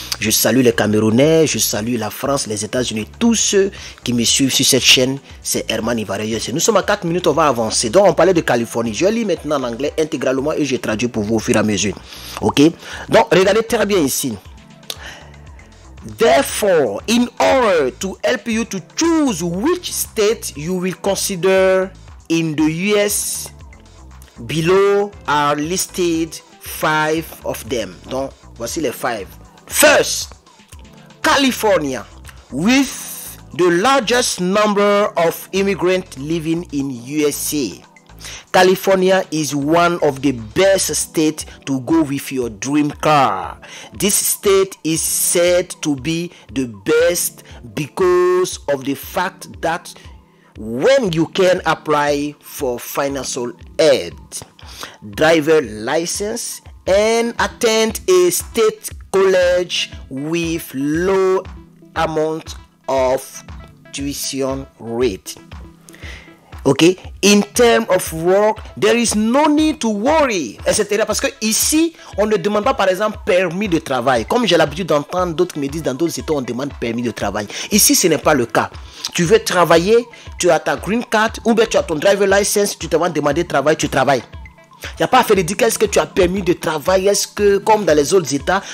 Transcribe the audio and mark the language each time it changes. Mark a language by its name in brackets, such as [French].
[French] Je salue les Camerounais, je salue la France, les États-Unis, tous ceux qui me suivent sur cette chaîne, c'est Herman Ivoirien. Nous sommes à 4 minutes, on va avancer. Donc, on parlait de Californie. Je lis maintenant en anglais intégralement et je traduis pour vous au fur et à mesure. OK? Donc, regardez très bien ici. [English] Therefore, in order to help you to choose which state you will consider in the US, below are listed five of them. [French] Donc, voici les five. [English] First, California, with the largest number of immigrants living in USA. California is one of the best states to go with your dream car. This state is said to be the best because of the fact that when you can apply for financial aid, driver license, and attend a state college with low amount of tuition rate. Okay, in terms of work, there is no need to worry, etc. [French] Parce que ici, on ne demande pas, par exemple, permis de travail. Comme j'ai l'habitude d'entendre d'autres me disent dans d'autres états, on demande permis de travail. Ici, ce n'est pas le cas. Tu veux travailler, tu as ta green card, ou bien tu as ton driver license, tu te vas demander de travail, tu travailles. Il n'y a pas à faire de dire qu'est-ce que tu as permis de travail, est-ce que, comme dans les autres états.